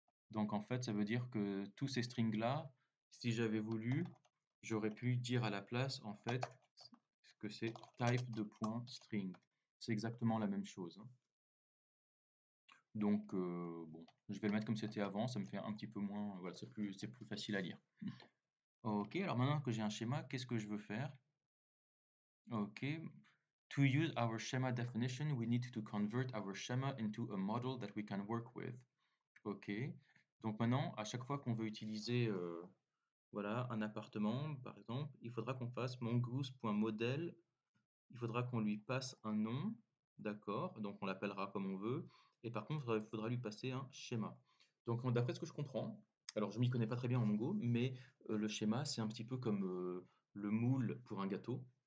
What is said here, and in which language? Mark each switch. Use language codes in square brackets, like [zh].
[fr] Donc, en fait, ça veut dire que tous ces strings-là, si j'avais voulu, j'aurais pu dire à la place, en fait, que c'est type de point string. C'est exactement la même chose. Donc, bon, je vais le mettre comme c'était avant. Ça me fait un petit peu moins. Voilà, c'est plus facile à lire. Ok, alors maintenant que j'ai un schéma, qu'est-ce que je veux faire? Ok. [en] To use our schema definition, we need to convert our schema into a model that we can work with. Ok. [fr] Donc maintenant, à chaque fois qu'on veut utiliser. Voilà, un appartement, par exemple, il faudra qu'on fasse mongoose.model. Il faudra qu'on lui passe un nom, d'accord, donc on l'appellera comme on veut. Et par contre, il faudra lui passer un schéma. Donc d'après ce que je comprends, alors je ne m'y connais pas très bien en Mongo, mais le schéma, c'est un petit peu comme le moule pour un gâteau.